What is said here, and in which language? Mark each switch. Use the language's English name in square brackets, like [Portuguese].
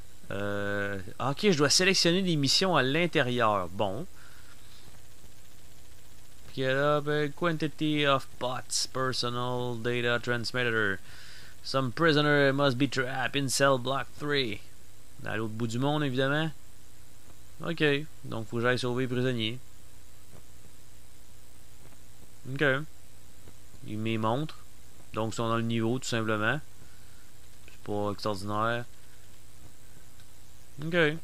[French] Ok, je dois sélectionner des missions à l'intérieur. Bon. [English] Get up a quantity of pots. Personal data transmitter. Some prisoner must be trapped in cell block 3. [French] À l'autre bout du monde, évidemment. Ok, donc faut que j'aille sauver les prisonniers. Ok. Ils m'y montrent. Donc ils sont dans le niveau, tout simplement. C'est pas extraordinaire. Ok.